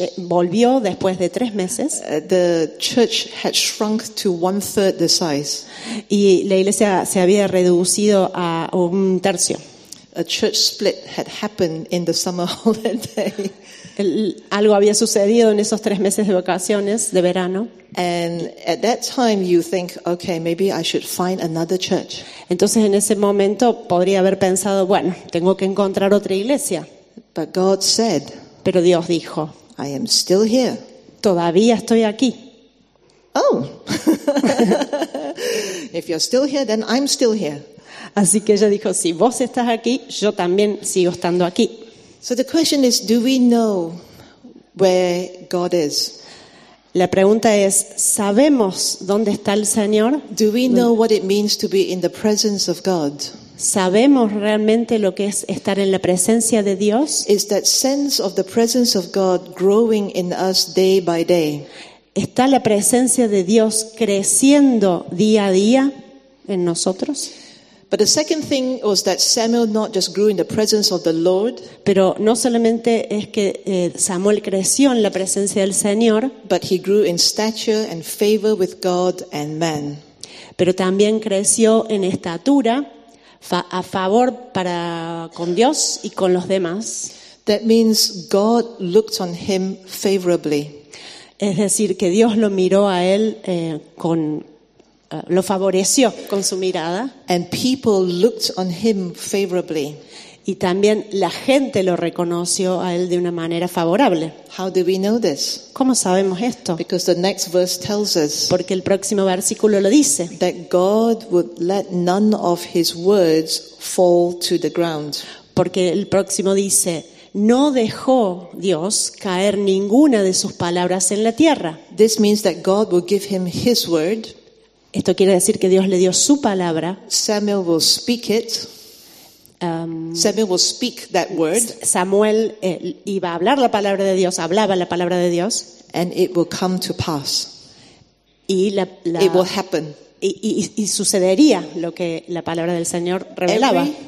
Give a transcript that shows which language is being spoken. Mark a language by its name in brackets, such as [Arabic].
[Spanish] Volvió después de 3 meses. [English] The church had shrunk to 1/3 the size. [Spanish] Y la iglesia se había reducido a un tercio. [English] A church split had happened in the summer holiday. [Spanish] Algo había sucedido en esos 3 meses de vacaciones de verano. [English] And at that time you think, okay, maybe I should find another church. [Spanish] Entonces en ese momento podría haber pensado, bueno, tengo que encontrar otra iglesia. [English] But God said, [Spanish] pero Dios dijo, [English] I am still here. [Spanish] Todavía estoy aquí. Oh. [English] If you're still here, then I'm still here. [Spanish] Así que ella dijo, si vos estás aquí, yo también sigo estando aquí. [English] So the question is, do we know where God is? [Spanish] La pregunta es, ¿sabemos dónde está el Señor? [English] Do we know what it means to be in the presence of God? [Spanish] ¿Sabemos realmente lo que es estar en la presencia de Dios? [English] Is that sense of the presence of God growing in us day by day? [Spanish] ¿Está la presencia de Dios creciendo día a día en nosotros? [English] But the second thing was that Samuel not just grew in the presence of the Lord, [Spanish] pero no solamente es que Samuel creció en la presencia del Señor, [English] but he grew in stature and favor with God and man. [Spanish] Pero también creció en estatura a favor para con Dios y con los demás. [English] That means God looked on him favorably. [Spanish] Es decir, que Dios lo miró a él con lo favoreció con su mirada. [English] And people looked on him favorably. [Spanish] Y también la gente lo reconoció a él de una manera favorable. [English] How do we know this? [Spanish] ¿Cómo sabemos esto? [English] Because the next verse tells us. [Spanish] Porque el próximo versículo lo dice. [English] That God would let none of his words fall to the ground. [Spanish] Porque el próximo dice, no dejó Dios caer ninguna de sus palabras en la tierra. [English] This means that God will give him his word. [Spanish] Esto quiere decir que Dios le dio su palabra. [English] Samuel will speak it. Samuel will speak that word. [Spanish] Samuel iba a hablar la palabra de Dios, hablaba la palabra de Dios. [English] And it will come to pass. [Spanish] Y la [English] it will happen. [Spanish] Y sucedería lo que la palabra del Señor revelaba.